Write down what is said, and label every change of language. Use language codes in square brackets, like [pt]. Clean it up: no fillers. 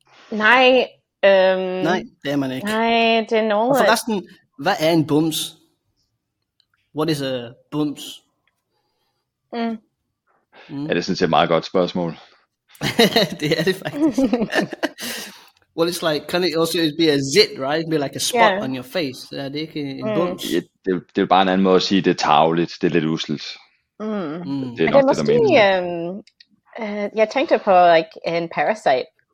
[da] Nej. Nej, det er man ikke. Nej, det er noget. Og forresten, hvad er en bums? [en] What is a bums? [da] Mm. Ja, det synes jeg er et meget godt spørgsmål. Det er det faktisk. [en] Well, it's like, can it also be a zit, right? Be like a spot yeah. on your face. [da] Er det ikke en bums? Ja, det er bare en anden måde at sige, det er tarveligt. Det er lidt uselt. Mm. Det er nok det, der mener. Jeg tænkte på like en parasite.